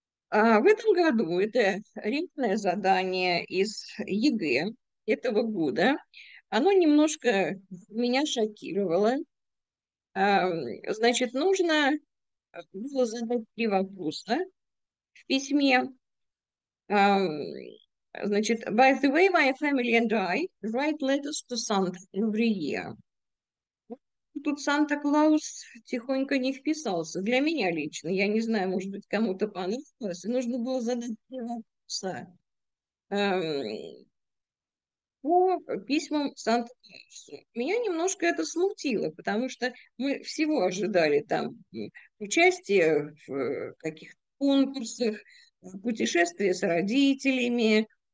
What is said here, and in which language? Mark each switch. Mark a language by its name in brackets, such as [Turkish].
[Russian] А в этом году это рентное задание из ЕГЭ этого года. Оно немножко меня шокировало. Значит, нужно было задать три вопроса в письме. Значит, [English] by the way, my family and I write letters to Santa every year. [Russian] Тут Санта-Клаус тихонько не вписался. Для меня лично, я не знаю, может быть, кому-то понравилось. Нужно было задать три вопроса. По письмам Санта-Клауса. Меня немножко это смутило, потому что мы всего ожидали там участие в каких-то конкурсах, путешествия с родителями.